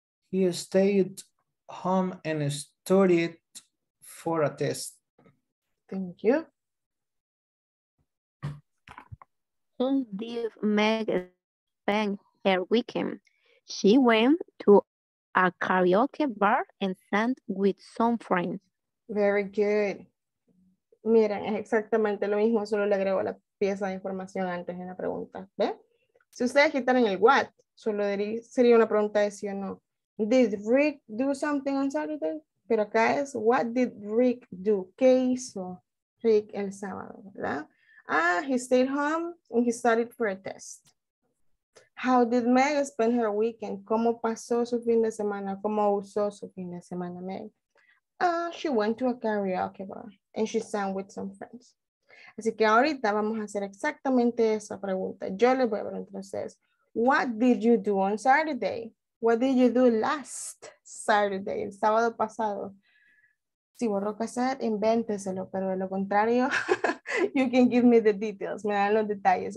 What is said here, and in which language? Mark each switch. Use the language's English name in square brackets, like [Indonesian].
[English] He stayed home and studied for a test. Thank you. Who did Meg spend her weekend? She went to a karaoke bar and sang with some friends. Very good. [Spanish] Mira, es exactamente lo mismo, solo le agrego la pieza de información antes en la pregunta. ¿Ve? Si ustedes quitaran el what, solo sería una pregunta de sí o no. [English] Did Rick do something on Saturday? [Spanish] Pero acá es, [English] what did Rick do? [Spanish] ¿Qué hizo Rick el sábado? ¿Verdad? [English] Ah, he stayed home and he studied for a test. How did Meg spend her weekend? [Spanish] ¿Cómo pasó su fin de semana? ¿Cómo usó su fin de semana, Meg? [English] She went to a karaoke bar and she sang with some friends. [Spanish] Así que ahorita vamos a hacer exactamente esa pregunta. Yo les voy a preguntar a ustedes, [English] what did you do on Saturday? What did you do last Saturday? [Spanish] El sábado pasado. Si borró cassette, invénteselo, pero de lo contrario, [English] you can give me the details. [Spanish] Me dan los detalles.